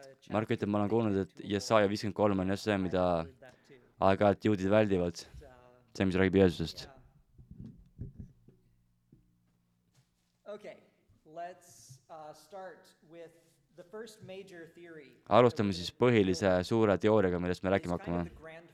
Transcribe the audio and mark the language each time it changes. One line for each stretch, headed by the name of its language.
Estonian: Mark ütleb, ma olen kuulnud, et Jesaja 53 on see, mida aga, et juudid väldivad. See, mis räägib Jeesusest.
English: Okay, let's start with the first major theory.
Estonian: Alustame siis põhilise suure teooriaga, millest me rääkima hakkame.